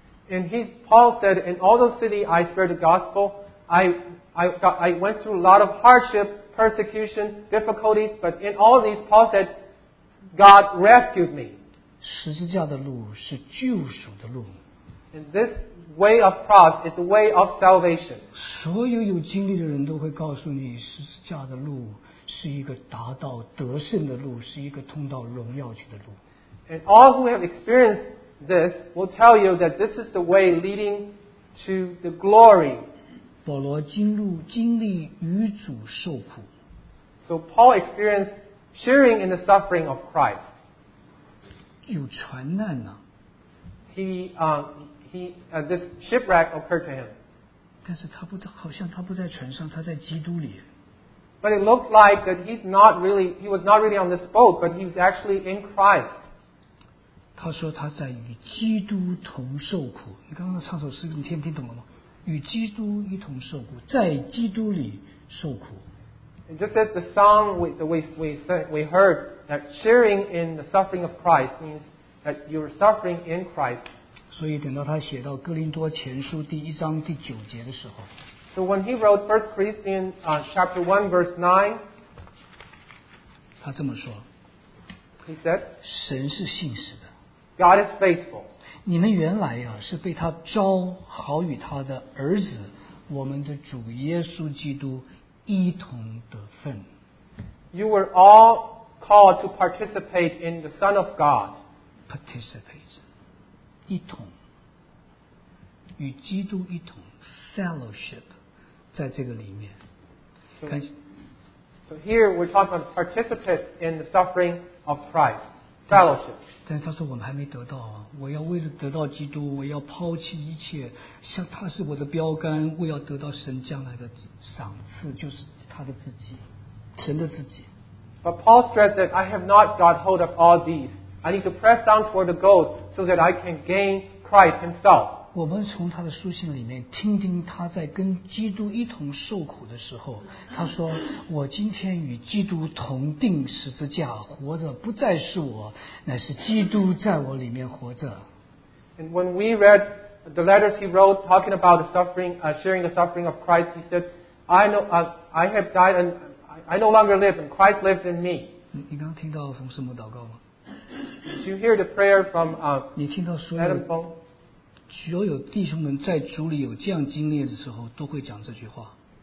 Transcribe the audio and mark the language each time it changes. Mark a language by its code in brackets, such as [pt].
[en] And Paul said, in all those cities I spread the gospel, I went through a lot of hardship. Persecution, difficulties, but in all these, Paul said, God rescued me. [zh] 十字架的路是救赎的路。 [en] And this way of cross is the way of salvation. [zh] 所有有经历的人都会告诉你，十字架的路是一个达到得胜的路，是一个通到荣耀去的路。 [en] And all who have experienced this will tell you that this is the way leading to the glory. [zh] 保罗经历与主受苦。 [en] So Paul experienced sharing in the suffering of Christ. [zh] 有船难呢。 [en] This shipwreck occurred to him. [zh] 但是他不在，好像他不在船上，他在基督里。 [en] But it looked like that he was not really on this boat, but he was actually in Christ. [zh] 他说他在与基督同受苦。你刚刚唱首诗，你听懂了吗？与基督一同受苦，在基督里受苦。 [en] And just as the song we heard that sharing in the suffering of Christ means that you are suffering in Christ. [zh] 所以等到他写到哥林多前书第一章第九节的时候。 [en] So when he wrote 1 Corinthians chapter 1 verse 9, [zh] 他这么说。 [en] He said, [zh] 神是信实的。 [en] God is faithful. [zh] 你们原来呀、啊、是被他召好与他的儿子我们的主耶稣基督一同得分。 [en] You were all called to participate in the Son of God. [zh] Participate. 一同。与基督一同。Fellowship. 在这个里面。 [en] So here we're talking about participate in the suffering of Christ. Fellowship. [zh] 但他说我们还没得到啊！我要为了得到基督，我要抛弃一切，像他是我的标杆，我要得到神将来的赏赐，就是他的自己，神的自己。 [en] But Paul stressed that I have not got hold of all these. I need to press down toward the goal so that I can gain Christ Himself. [zh] 我们从他的书信里面听听他在跟基督一同受苦的时候，他说：“我今天与基督同钉十字架，活着不再是我，乃是基督在我里面活着。” [en] And when we read the letters he wrote talking about the suffering, sharing the suffering of Christ, he said, "I have died and I no longer live, and Christ lives in me." [zh] 你刚听到冯师母祷告吗 [en] ？Did you hear the prayer from Adam Fong? [zh] 所有弟兄们在主里有这样经历的时候，都会讲这句话。